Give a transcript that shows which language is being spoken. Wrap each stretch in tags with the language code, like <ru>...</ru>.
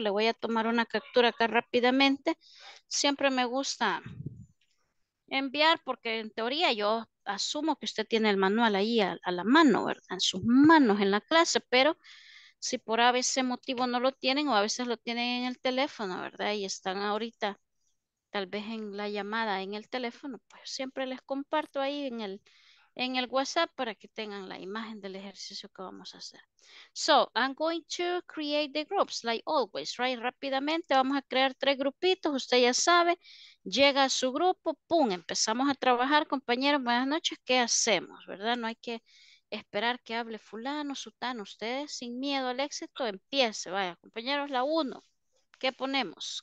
<es>Le voy a tomar una captura acá rápidamente. Siempre me gusta enviar porque en teoría yo asumo que usted tiene el manual ahí a la mano, ¿verdad? En sus manos en la clase, pero si por a veces motivo no lo tienen o a veces lo tienen en el teléfono, ¿verdad? Y están ahorita tal vez en la llamada en el teléfono, pues siempre les comparto ahí en el WhatsApp para que tengan la imagen del ejercicio que vamos a hacer.</es> <en>So, I'm going to create the groups like always, right?</en> <es>Rápidamente vamos a crear tres grupitos, usted ya sabe, llega a su grupo, pum, empezamos a trabajar, compañeros, buenas noches, ¿qué hacemos? ¿Verdad? No hay que esperar que hable fulano, sutano, ustedes sin miedo al éxito, empiece, vaya, compañeros, la uno, ¿qué ponemos?</es>